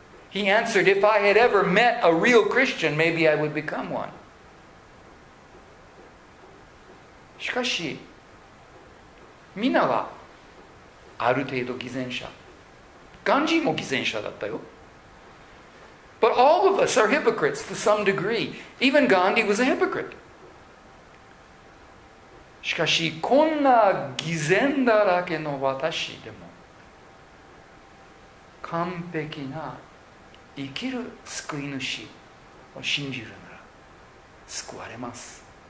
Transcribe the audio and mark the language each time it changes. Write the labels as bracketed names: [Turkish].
[English] He answered, if I had ever met a real Christian, maybe I would become one. [Japanese] しかし、皆はある程度偽善者。ガンジーも偽善者だったよ。 [English] But all of us are hypocrites to some degree. Even Gandhi was a hypocrite. [Japanese] しかし、こんな偽善だらけの私でも、完璧な生きる救い主を信じるなら救われます。